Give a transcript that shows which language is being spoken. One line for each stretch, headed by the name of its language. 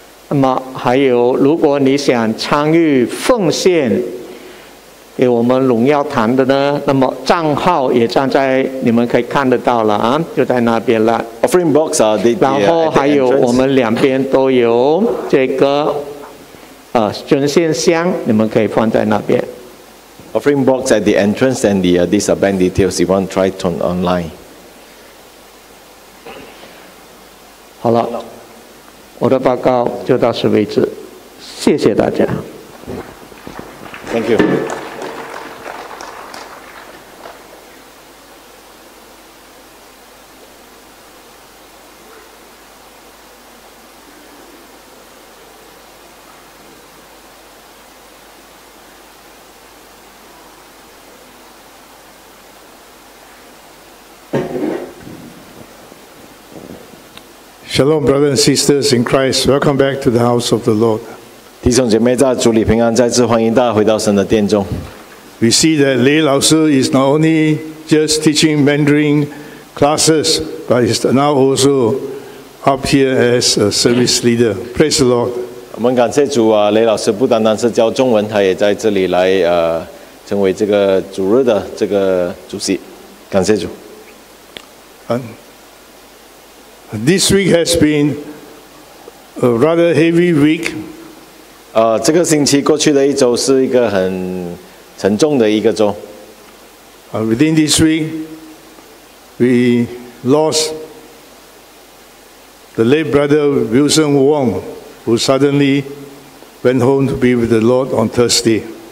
Chinese: 那么还有，如果你想参与奉献给我们荣耀堂的呢，那么账号也站在你们可以看得到了啊，就在那边了。
English: Offering box 啊，
Chinese: 然后还有我们两边都有这个捐献箱，你们可以放在那边。
English: Offering box at the entrance and the these are bank details. You want to try to online?
Chinese: 好了，我的报告就到此为止，谢谢大家。
English: Thank you. Shalom, brothers and sisters in Christ. Welcome back to the house of the Lord.
Chinese: 弟兄姐妹在主里平安，再次欢迎大家回到神的殿中。
English: We see that Lei 老师 is not only just teaching Mandarin classes, but is now also up here as a service leader. Praise the Lord.
Chinese: 我们感谢主啊，雷老师不单单是教中文，他也在这里来成为这个主日的这个主席。感谢主。
English: This week has been a rather heavy week.
Chinese: 这个星期过去的一周是一个很沉重的一个周。
English: Within this week, we lost the late brother Wilson Wong, who suddenly went home to be with the Lord on Thursday.